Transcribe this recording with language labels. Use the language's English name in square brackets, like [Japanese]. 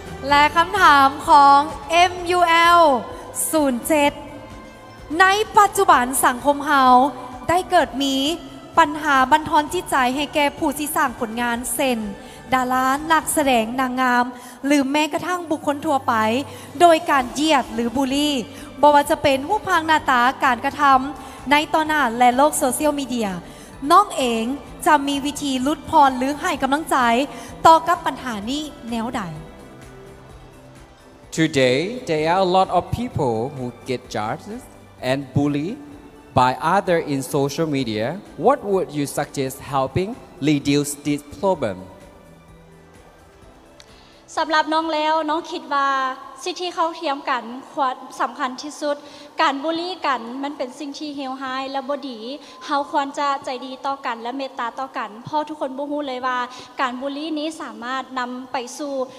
[Northeastern Thai] และคำถามของ MUL 07ในปัจจุบันสังคมเฮาได้เกิดมีปัญหาบั่นทอนจิตใจให้แก่ผู้ที่สร้างผลงานเซนดารานักแสดงนางงามหรือแม้กระทั่งบุคคลทั่วไปโดยการเหยียดหรือบูลลี่บ่ว่าจะเป็นรูปพางหน้าตาการกระทำในต่อหน้าและโลกโซเชียลมีเดียน้องเองจะมีวิธีลดพรหรือให้กำลังใจต่อกับปัญหานี้แนวใด [English] Today there are a lot of people who get judged and bullied by other in social media. What would you suggest helping reduce this problem [Northeastern Thai] สำหรับน้องแล้วน้องคิดว่าสิทธิเข้าเทียมกันความสำคัญที่สุดการบูลลี่กันมันเป็นสิ่งที่เฮวไฮและบ่ดีเฮาควรจะใจดีต่อกันและเมตตาต่อกันเพราะทุกคนบ่ฮู้เลยว่าการบูลลี่นี้สามารถนำไปสู่